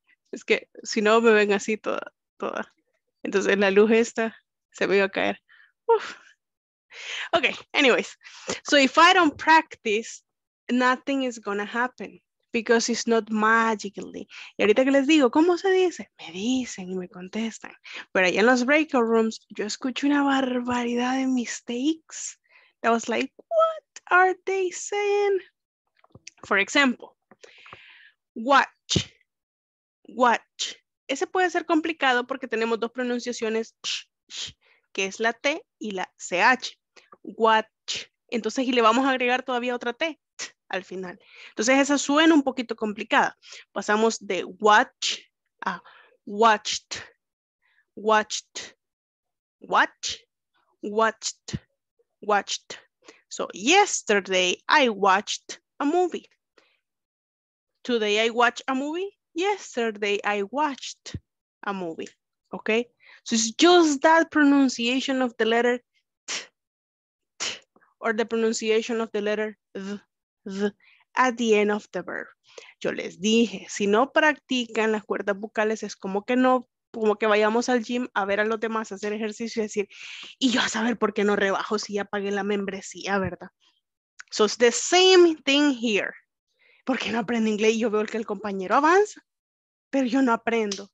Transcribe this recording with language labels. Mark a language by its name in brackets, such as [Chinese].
[Spanish] Es que si no me ven así toda, toda. Entonces la luz esta se me iba a caer. [English] Uf. Okay, anyways. So if I don't practice, nothing is gonna happen. Because it's not magically. [Spanish] Y ahorita que les digo, ¿cómo se dice? Me dicen y me contestan. Pero ahí en los breakout rooms, yo escucho una barbaridad de mistakes. [English] I was like, what are they saying? For example, watch, watch. [Spanish] Ese puede ser complicado porque tenemos dos pronunciaciones, que es la T y la CH. Watch. Entonces, y le vamos a agregar todavía otra T al final. Entonces, esa suena un poquito complicada. Pasamos de watch a watched, watched, watch, watched, watched. [English] So, yesterday I watched a movie. Today I watched a movie. Yesterday I watched a movie. Okay? So, it's just that pronunciation of the letter t, t, or the pronunciation of the letter th, th, at the end of the verb. [Spanish] Yo les dije, si no practican las cuerdas vocales, es como que no, como que vayamos al gym a ver a los demás hacer ejercicio y decir, y yo a saber por qué no rebajo si ya pagué la membresía, ¿verdad? [English] So it's the same thing here. [Spanish] ¿Por qué no aprendo inglés? Y yo veo que el compañero avanza, pero yo no aprendo.